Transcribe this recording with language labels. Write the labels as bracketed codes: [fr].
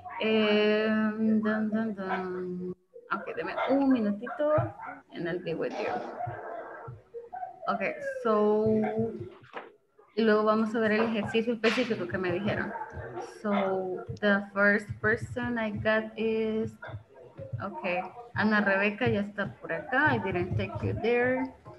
[en] Okay, [es] deme un minutito [en] and I'll be with you. [es] Okay, so, y luego vamos a ver el ejercicio específico que me dijeron. [en] So, the first person I got is, okay, Ana Rebeca [es] ya está por acá, [en] I didn't take you there.